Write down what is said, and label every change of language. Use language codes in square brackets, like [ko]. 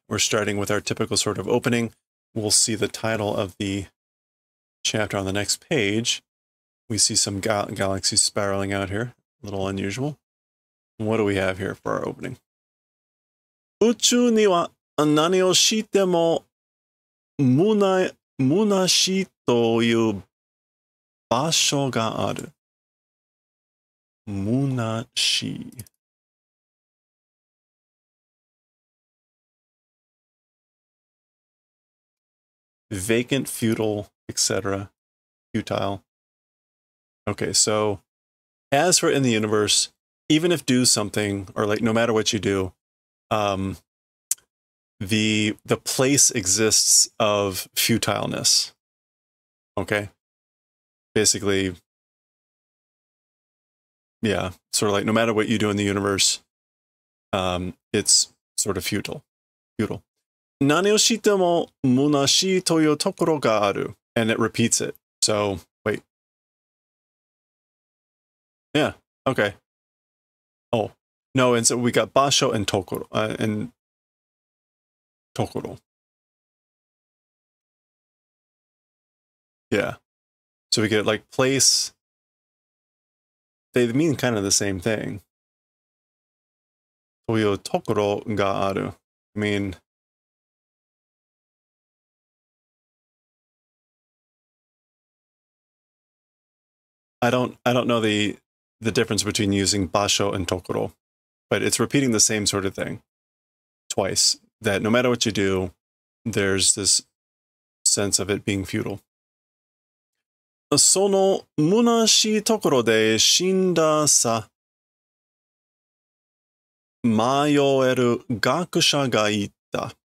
[en] We're starting with our typical sort of opening. We'll see the title of the chapter on the next page. We see some galaxies spiraling out here. A little unusual. What do we have here for our opening? [ja] 宇宙には何をしても無なしという場所がある。無なし。 [en] Vacant, futile, etc. Futile. Okay, so as for in the universe, even if do something, or like no matter what you do, the place exists of futileness. Okay? Basically, yeah, sort of like no matter what you do in the universe, it's sort of futile. Futile. [ja] 何をしても虚しいというところがある。 [en] And it repeats it. So, wait. Yeah, okay. Oh, no, and so we got 場所 and ところ. And ところ. Yeah. So we get like place. They mean kind of the same thing. [ja] というところがある. [en] I mean,I don't know the difference between using basho and tokoro, but it's repeating the same sort of thing twice, that no matter what you do, there's this sense of it being futile. [ja] その虚しいところで死んださ迷える学者がいた。